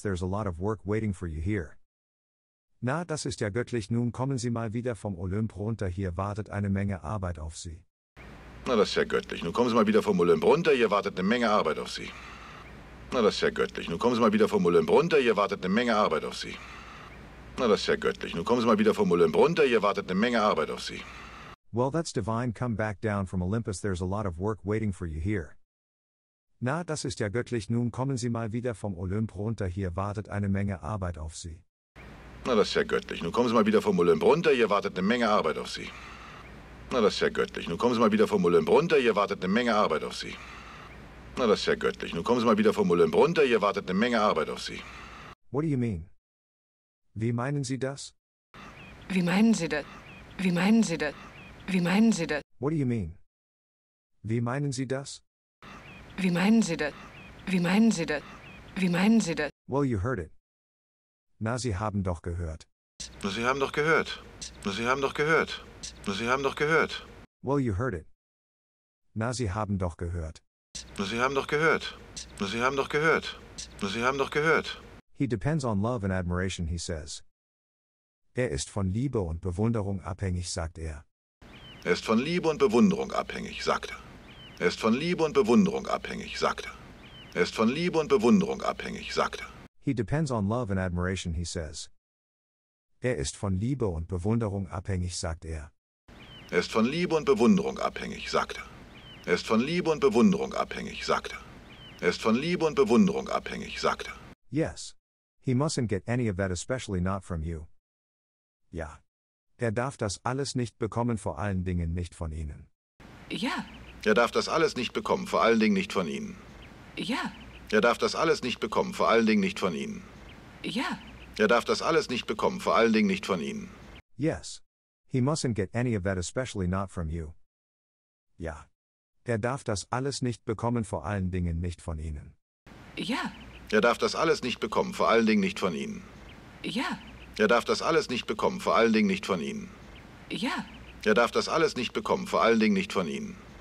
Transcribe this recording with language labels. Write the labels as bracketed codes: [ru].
[en] There's a lot of work waiting for you here. [de] Na, das ist ja göttlich. Nun kommen Sie mal wieder vom Olymp runter. Hier wartet eine Menge Arbeit auf Sie. Na, das ist ja göttlich. Nun kommen Sie mal wieder vom Olymp runter. Hier wartet eine Menge Arbeit auf Sie. Na, das ist ja göttlich. Nun kommen Sie mal wieder vom Olymp runter. Hier wartet eine Menge Arbeit auf Sie. Na, das ist ja göttlich. Nun kommen Sie mal wieder vom Olymp runter. Hier wartet eine Menge Arbeit auf Sie. [en] Well, that's divine. Come back down from Olympus. There's a lot of work waiting for you here. [de] Na, das ist ja göttlich. Nun kommen Sie mal wieder vom Olymp runter. Hier wartet eine Menge Arbeit auf Sie. Na, das ist ja göttlich. Nun kommen Sie mal wieder vom Olymp runter. Hier wartet eine Menge Arbeit auf Sie. Na, das ist ja göttlich. Nun kommen Sie mal wieder vom Olymp runter. Hier wartet eine Menge Arbeit auf Sie. Na, das ist ja göttlich. Nun kommen Sie mal wieder vom Olymp runter. Hier wartet eine Menge Arbeit auf Sie. [en] What do you mean? [de] Wie meinen Sie das? Wie meinen Sie das? Wie meinen Sie das? Wie meinen Sie das? [en] What do you mean? [de] Wie meinen Sie das? Wie meinen Sie das? Wie meinen Sie das? Wie meinen Sie das? [en] Well, you heard it. [de] Na, Sie haben doch gehört. Na, Sie haben doch gehört. Na, Sie haben doch gehört. Na, Sie haben doch gehört. [en] Well, you heard it. [de] Na, Sie haben doch gehört. Na, Sie haben doch gehört. Na, Sie haben doch gehört. Na, Sie haben doch gehört. [en] He depends on love and admiration, he says. [de] Er ist von Liebe und Bewunderung abhängig, sagt er. Er ist von Liebe und Bewunderung abhängig, sagt er. Er ist von Liebe und Bewunderung abhängig, sagt er. Er ist von Liebe und Bewunderung abhängig, sagt er. [en] He depends on love and admiration, he says. [de] Er ist von Liebe und Bewunderung abhängig, sagt er. Er ist von Liebe und Bewunderung abhängig, sagt er. Er ist von Liebe und Bewunderung abhängig, sagt er. Er ist von Liebe und Bewunderung abhängig, sagt er. [en] Yes. He mustn't get any of that, especially not from you. [de] Ja. Er darf das alles nicht bekommen, vor allen Dingen nicht von Ihnen. Ja. Er darf das alles nicht bekommen, vor allen Dingen nicht von Ihnen. Ja. Er darf das alles nicht bekommen, vor allen Dingen nicht von Ihnen. Ja. Er darf das alles nicht bekommen, vor allen Dingen nicht von Ihnen. [en] Yes. He mustn't get any of that, especially not from you. [de] Ja. Er darf das alles nicht bekommen, vor allen Dingen nicht von Ihnen. Ja. Er darf das alles nicht bekommen, vor allen Dingen nicht von Ihnen. Ja. Er darf das alles nicht bekommen, vor allen Dingen nicht von Ihnen. Ja. Er darf das alles nicht bekommen, vor allen Dingen nicht von Ihnen.